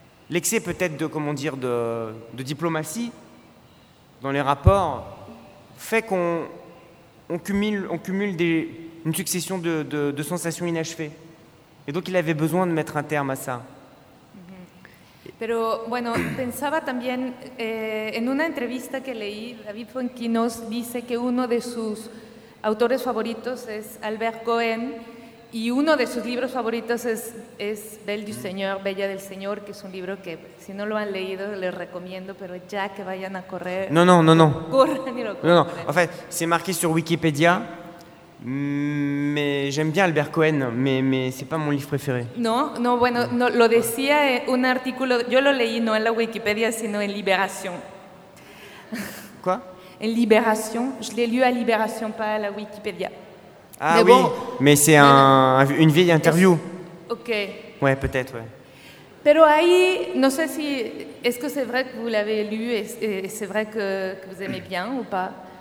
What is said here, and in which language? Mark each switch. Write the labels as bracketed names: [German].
[French] L'excès peut-être de, comment dire, de diplomatie dans les rapports fait qu'on cumule des... une succession de sensations inachevées. Et donc, il avait besoin de mettre un terme à ça. [Spanish] Pero bueno, pensaba también en una entrevista que leí, David Fuenquinos dice que uno de sus autores favoritos es Albert Cohen y uno de sus libros favoritos es Belle du Seigneur, Bella del Señor, que es un libro que si no lo han leído les recomiendo, pero ya que vayan a correr. No. Corran y lo compren. No. [French] En fait, c'est marqué sur Wikipédia. Mais j'aime bien Albert Cohen, mais c'est pas mon livre préféré. [Spanish] No, lo decía un artículo, yo lo leí no en la Wikipedia, sino en Libération. [French] Quoi? En Libération, je l'ai lu à Libération, pas à la Wikipédia. Ah mais oui, bon, mais c'est une vieille interview. Ok. Ouais, peut-être, ouais. [Spanish] Pero ahí, no sé si, [French] est-ce que c'est vrai que vous l'avez lu et c'est vrai que vous aimez bien ou pas?